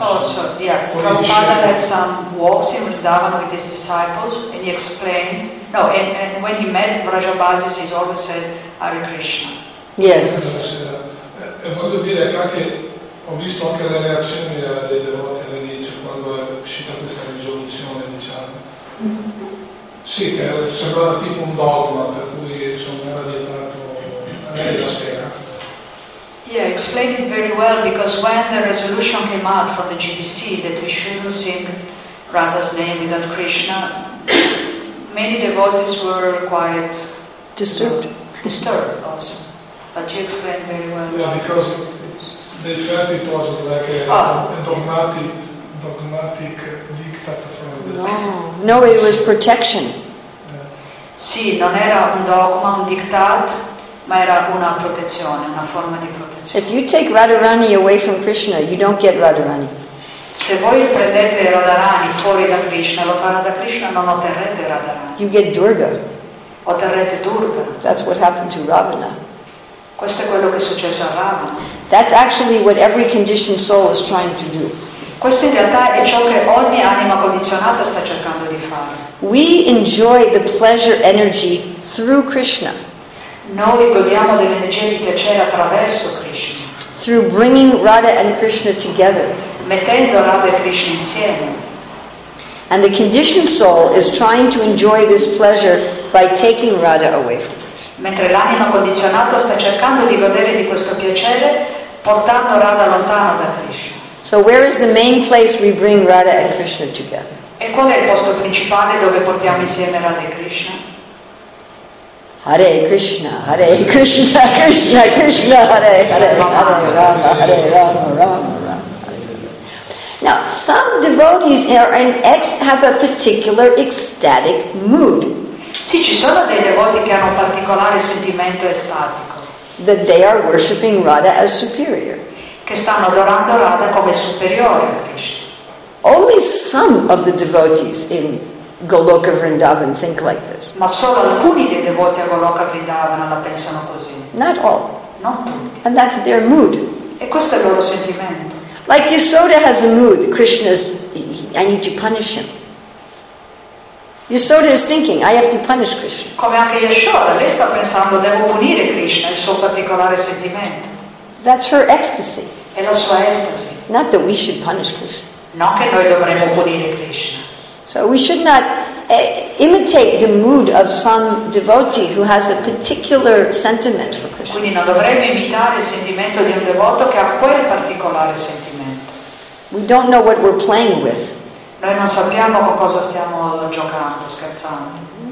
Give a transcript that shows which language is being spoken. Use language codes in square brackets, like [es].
[en] Oh, so, yeah. Prabhupada had some walks in Vrindavan with his disciples, and he explained. No, and when he met Vrajabhasis, he always said, Hare Krishna. Yes. [it] E voglio dire che anche ho visto anche le reazioni dei devoti all'inizio, quando è uscita questa risoluzione, diciamo. Sì, che sembrava tipo un dogma, per cui insomma era diventato la spiegata. [en] Yeah, explained it very well, because when the resolution came out for the GBC that we shouldn't sing Radha's name without Krishna, many devotees were quite disturbed. Disturbed also. But you explained very well. Yeah, because they felt it was like a dogmatic dictator from the No, it was protection. [it] Sì, non era un dogma, un diktat, ma era una protezione, una forma di protezione. [en] If you take Radharani away from Krishna, you don't get Radharani. [it] Se voi prendete Radharani fuori da Krishna, lontano da Krishna, non otterrete Radharani. [en] You get Durga. [it] Otterrete Durga. [en] That's what happened to Ravana. [it] Questo è quello che è successo a Ravana. [en] That's actually what every conditioned soul is trying to do. [it] Questo in realtà è ciò che ogni anima condizionata sta cercando di fare. [en] We enjoy the pleasure energy through Krishna. [it] Noi godiamo dell'energia di piacere attraverso Krishna. [en] Through bringing Radha and Krishna together. [it] Mettendo Radha e Krishna insieme. [en] And the conditioned soul is trying to enjoy this pleasure by taking Radha away from Krishna. [it] Mentre l'anima condizionata sta cercando di godere di questo piacere portando Radha lontano da Krishna. [en] So where is the main place we bring Radha and Krishna together? [it] E qual è il posto principale dove portiamo insieme Radha e Krishna? [sa] Hare Krishna, Hare Krishna, Krishna Krishna, Hare Hare, Hare Rama, Hare Rama, Rama Rama. [en] Now, some devotees have a particular ecstatic mood. [it] Sì, ci sono dei devoti che hanno un particolare sentimento estatico. [en] That they are worshipping Radha as superior. [it] Che stanno adorando Radha come superiore a Krishna. [en] Only some of the devotees in Goloka Vrindavan think like this. [it] Ma solo alcuni dei devoti a Goloka Vrindavan la pensano così. [en] Not all. [it] Non tutti. [en] And that's their mood. [it] E questo è il loro sentimento. [en] Like Yasoda has a mood. Krishna's, I need to punish him. Yasoda is thinking, I have to punish Krishna. [it] Come anche Yasoda, lei sta pensando, devo punire Krishna, il suo particolare sentimento. [en] That's her ecstasy. [it] È la sua estasi. [en] Not that we should punish Krishna. [it] Non che noi dovremmo punire Krishna. [en] So we should not imitate the mood of some devotee who has a particular sentiment for Krishna. [it] Quindi non dovremmo imitare il sentimento di un devoto che ha quel particolare sentimento. [en] We don't know what we're playing with. [it] Noi non sappiamo con cosa stiamo giocando, scherzando.